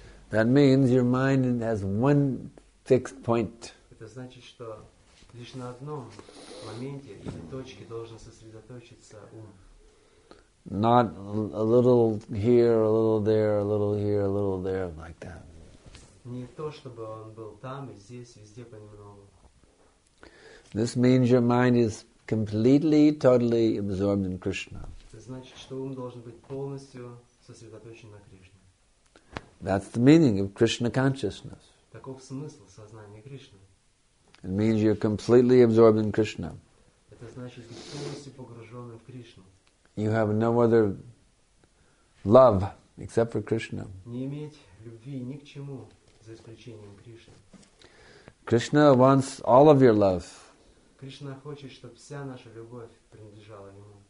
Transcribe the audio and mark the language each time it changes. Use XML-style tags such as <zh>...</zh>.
<en>That means your mind has one fixed point.</en> <ru>Это значит, что лишь на одном моменте или точке должен сосредоточиться ум.</ru> <en>Not a little here, a little there, a little here, a little there, like that.</en> <ru>Не то, чтобы он был там и здесь, везде понемногу.</ru> <en>This means your mind is completely, totally absorbed in Krishna.</en> <ru>Это значит, что ум должен быть полностью сосредоточен на Кришне.</ru> <en>That's the meaning of Krishna consciousness.</en> <ru>Таков смысл сознания Кришны.</ru> <en>It means you're completely absorbed in Krishna.</en> <ru>Это значит, что ты полностью погружен в Кришну.</ru> <en>You have no other love except for Krishna.</en> <ru>Не иметь любви ни к чему, за исключением Кришны.</ru> <en>Krishna wants all of your love.</en> <ru>Кришна хочет, чтобы вся наша любовь принадлежала ему.</ru>